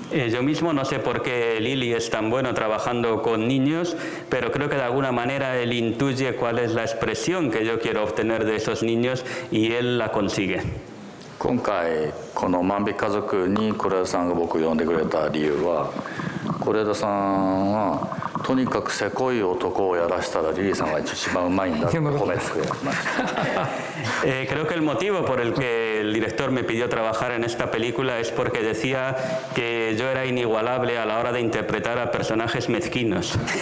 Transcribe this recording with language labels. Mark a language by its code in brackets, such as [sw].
[es] Yo mismo no sé por qué Lili es tan bueno trabajando con niños, pero creo que de alguna manera él intuye cuál es la expresión que yo quiero obtener de esos niños y él la consigue. [ja] 今回この万引き家族に是枝さんが僕を呼んでくれた理由は、是枝さんはとにかくせこい男をやらせたらリリーさんが一番うまいんだって褒めてくれました。 [es] Creo que el motivo por el que el director me pidió trabajar en esta película es porque decía que yo era inigualable a la hora de interpretar a personajes mezquinos.